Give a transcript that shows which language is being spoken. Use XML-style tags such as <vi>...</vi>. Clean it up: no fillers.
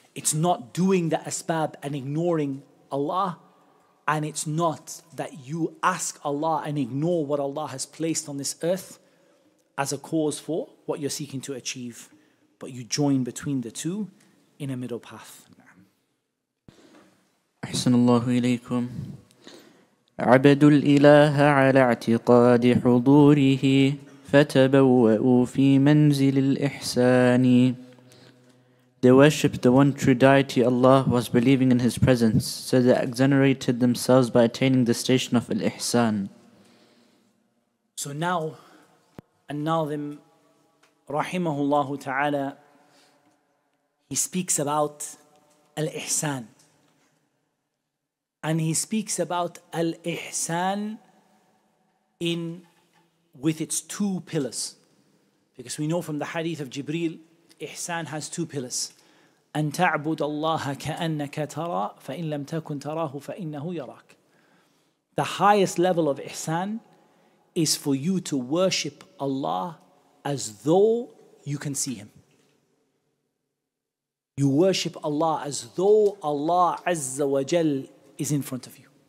<en>It's not doing the asbab and ignoring Allah. And it's not that you ask Allah and ignore what Allah has placed on this earth as a cause for what you're seeking to achieve, but you join between the two in a middle path.</en> <ar>أحسن الله إليكم. عبدوا الإله على اعتقاد حضوره فتبوأوا في منزل الإحسان.</ar> <en>They worshipped the one true deity, Allah, was believing in His presence, so they exonerated themselves by attaining the station of Al-Ihsan. So now, An-Nazim, rahimahullahu ta'ala, he speaks about Al-Ihsan. And he speaks about Al-Ihsan with its two pillars. Because we know from the hadith of Jibreel, Ihsan has two pillars.</en> <ar>أن تعبد الله كأنك ترى فإن لم تكن تراه فإنه يراك.</ar> <en>The highest level of Ihsan is for you to worship Allah as though you can see Him. You worship Allah as though Allah Azza wa Jal is in front of you.</en>